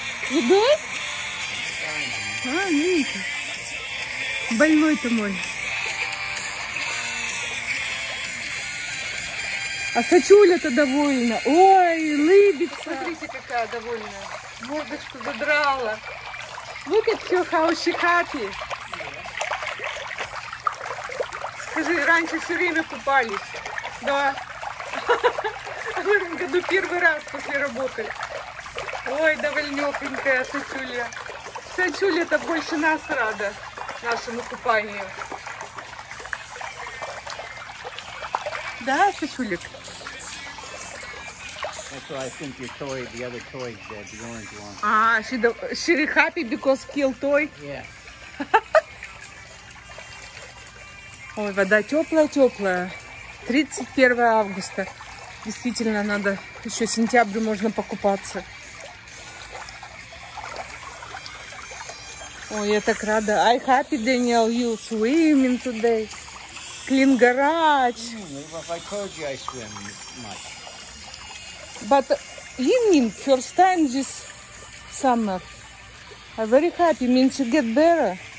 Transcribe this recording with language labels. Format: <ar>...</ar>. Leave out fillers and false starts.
<en>You good?</en> <ru>А, Данилка, больной-то мой. А сочуля-то довольна. Ой, лыбится. Смотрите, какая довольная. Мордочку задрала.</ru> <en>Look at you, how she happy.</en> <ru>Скажи, раньше все время купались. Да. В этом году первый раз после работы. Ой, довольнёхонькая сочуля. Сочуля-то больше нас рада нашему купанию. Да, сочулик?</ru> <en>That's why I think your toy, the other toy, the orange one. Ah, she really happy because kill toy? Yeah.</en> <ru>Ой, вода теплая-теплая. 31 августа. Действительно, надо еще сентябрь можно покупаться. Ой, я так рада.</ru> <en>I happy, Daniel, you swimming today. Clean garage. If I told you I swim much. But evening, first time this summer. I'm very happy, means you get better.</en>